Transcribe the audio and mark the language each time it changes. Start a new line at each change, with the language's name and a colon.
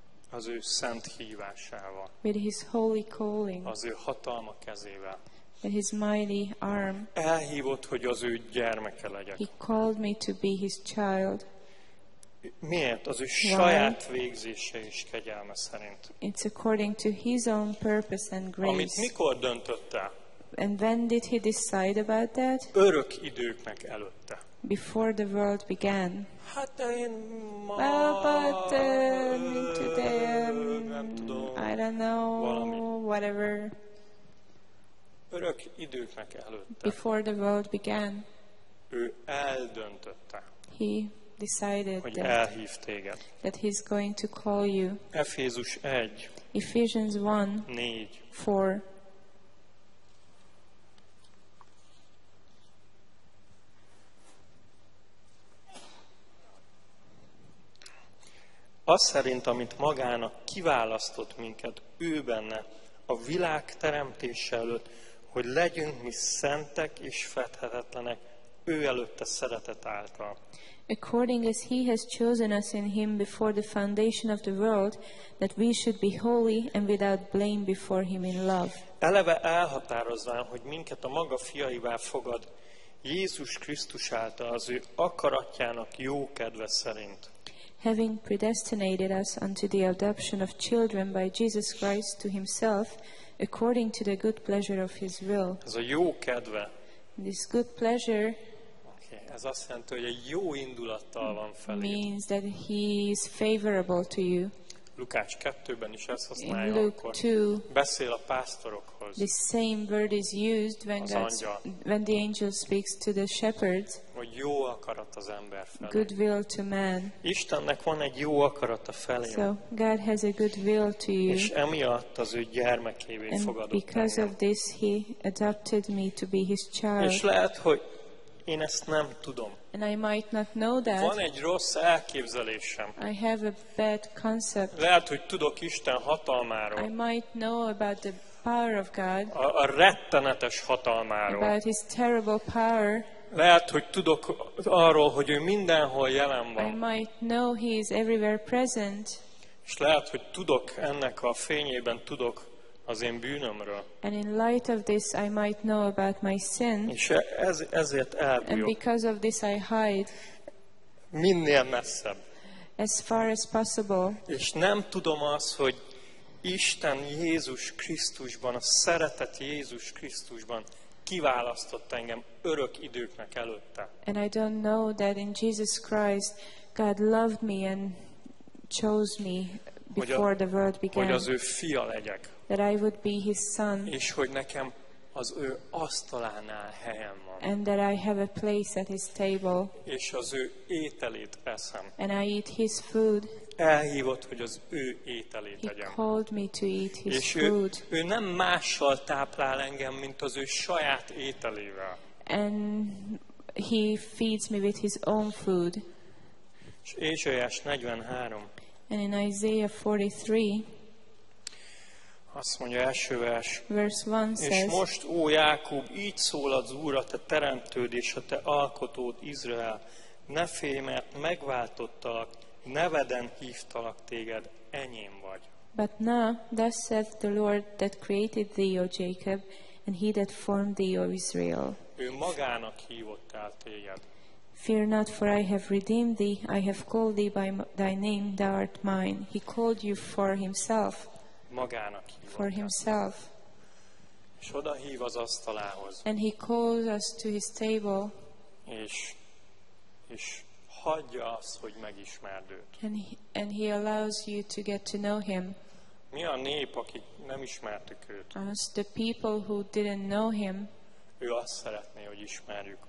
Hungarian: Az ő szent hívásával.
English: With his holy calling.
Hungarian: Az ő hatalma kezével.
English: With his mighty arm.
Hungarian: Elhívott, hogy az ő gyermeke legyek.
English: He called me to be his child.
Hungarian: Miért? Az ő saját végzése és kegyelme szerint.
English: It's according to his own purpose and grace.
Hungarian: Amit mikor döntött el?
English: And when did he decide about that?
Hungarian: Örök időknek előtte.
English: Before the world began.
Hungarian: Hát én ma...
English: Well, but today, I don't know,
Hungarian: valami.
English: Whatever.
Hungarian: Örök időknek előtte.
English: Before the world began.
Hungarian: Ő eldöntötte.
English: He decided
Hungarian: hogy elhív téged.
English: That he's going to call you.
Hungarian: Efézus 1.
English: Ephesians 1. 4. 4.
Hungarian: Azt szerint, amit magának kiválasztott minket ő benne a világ teremtése előtt, hogy legyünk mi szentek és fedhetetlenek ő előtte szeretet által.
English: According as he has chosen us in him before the foundation of the world, that we should be holy and without blame before him in love.
Hungarian: Eleve elhatározván, hogy minket a maga fiaivá fogad Jézus Krisztus által az ő akaratjának jó kedve szerint.
English: Having predestinated us unto the adoption of children by Jesus Christ to himself, according to the good pleasure of his will.
Hungarian: Ez a jó kedve.
English: This good pleasure. Okay.
Hungarian: Ez azt jelenti, hogy egy jó indulattal van feléd.
English: Means that he is favorable to you.
Hungarian: Lukács 2-ben is ezt használja, akkor 2, beszél a pásztorokhoz.
English: The same word is used when, when the angel speaks to the shepherds.
Hungarian: Hogy jó akarat az ember felé.
English: Good will to man.
Hungarian: Istennek van egy jó akarata felé.
English: So God has a good will to you.
Hungarian: És emiatt az ő gyermekévé
English: and
Hungarian: fogadott.
English: Because
Hungarian: engem.
English: Of this he adopted me to be his child.
Hungarian: És lehet, hogy én ezt nem tudom.
English: And I might not know that.
Hungarian: Van egy rossz elképzelésem.
English: I have a bad concept.
Hungarian: Lehet, hogy tudok Isten hatalmáról.
English: I might know about the power of God.
Hungarian: A rettenetes hatalmáról.
English: About his terrible power.
Hungarian: Lehet, hogy tudok arról, hogy ő mindenhol jelen van.
English: I might know he is everywhere present.
Hungarian: És lehet, hogy tudok ennek a fényében tudok az én bűnömről.
English: And in light of this, I might know about my sin.
Hungarian: És ezért elbújok.
English: And because of this, I hide.
Hungarian: Minél messzebb.
English: As far as possible.
Hungarian: És nem tudom azt, hogy Isten Jézus Krisztusban, a szeretet Jézus Krisztusban kiválasztott engem örök időknek előtte.
English: And I don't know that in Jesus Christ, God loved me and chose me before the world began.
Hungarian: Hogy az ő fia legyek.
English: That I would be his son.
Hungarian: És hogy nekem az ő asztalánál helyem van.
English: And that I have a place at his table.
Hungarian: És az ő ételét eszem.
English: And I eat his food.
Hungarian: Elhívott, hogy az ő ételét
English: he
Hungarian: legyen.
English: Called me to eat his
Hungarian: és
English: food.
Hungarian: És ő nem mással táplál engem, mint az ő saját ételével.
English: And he feeds me with his own food.
Hungarian: És Ézsaiás 43.
English: And in Isaiah 43.
Hungarian: Azt mondja első vers.
English: Verse 1
Hungarian: és
English: says,
Hungarian: most, ó Jákob, így szól az Úr, a te teremtőd és a te alkotód, Izrael. Ne félj, mert megváltottalak, neveden hívtalak téged, enyém vagy.
English: But now, thus saith the Lord that created thee, O Jacob, and he that formed thee, O Israel.
Hungarian: Ő magának hívott el téged.
English: Fear not, for I have redeemed thee, I have called thee by thy name, thou art mine. He called you for himself.
Hungarian: Magának
English: for himself.
Hungarian: És oda hív az asztalához.
English: And he calls us to his table.
Hungarian: És hagyja azt, hogy megismerd őt.
English: And he allows you to get to know him.
Hungarian: Mi a nép, akik nem ismertük őt?
English: Us, the people who didn't know him.
Hungarian: Ő azt szeretné, hogy ismerjük.